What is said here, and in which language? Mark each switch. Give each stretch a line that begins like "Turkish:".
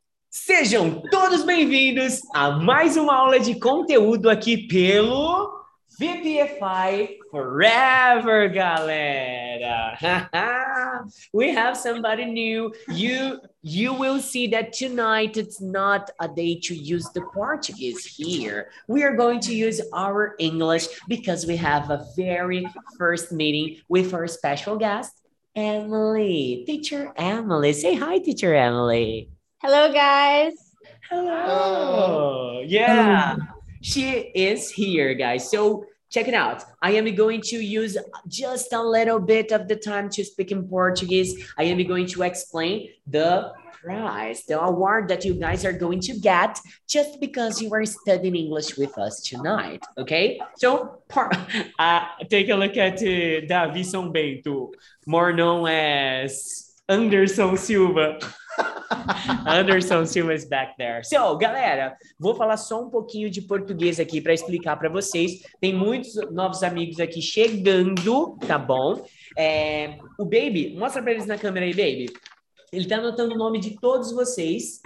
Portuguese: Sejam todos bem-vindos a mais uma aula de conteúdo aqui pelo VPFI Forever, galera!
English: We have somebody new. You will see that tonight it's not a day to use the Portuguese here. We are going to use our English because we have a very first meeting with our special guest, Emily. Teacher Emily. Say hi, Teacher Emily. Hello, guys. Hello. Yeah. Hello. She is here, guys. So check it out. I am going to use just a little bit of the time to speak in Portuguese. I am going to explain the prize, the award that you guys are going to get just because you are studying English with us tonight. Okay? So take a look at Davi São Bento, more known as Anderson Silva. Anderson Silva is back there.
Portuguese: So, galera, vou falar só um pouquinho de português aqui para explicar para vocês. Tem muitos novos amigos aqui chegando, tá bom? O Baby, mostra para eles na câmera aí, Baby. Ele tá anotando o nome de todos vocês.